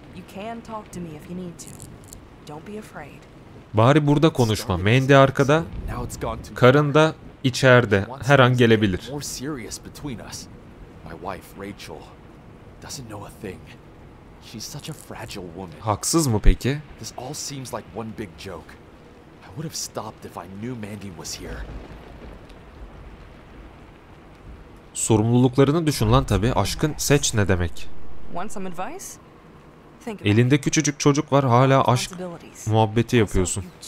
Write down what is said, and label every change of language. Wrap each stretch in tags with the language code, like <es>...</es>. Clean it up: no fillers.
<en>You can talk to me if you need to. Don't be afraid.</en> <tr>Bari burada konuşma. Mandy arkada, karın da içeride. Her an gelebilir.</tr> <en>More serious between us. My wife Rachel doesn't know a thing. She's such a fragile woman.</en> <tr>Haksız mı peki?</tr> <en>This all seems like one big joke. I would have stopped if I knew Mandy was here.</en> <tr>Sorumluluklarını düşün lan tabii. Aşkın seç ne demek?</tr> <en>Want some advice?</en> <tr>Elinde küçücük çocuk var, hala aşk muhabbeti yapıyorsun.</tr>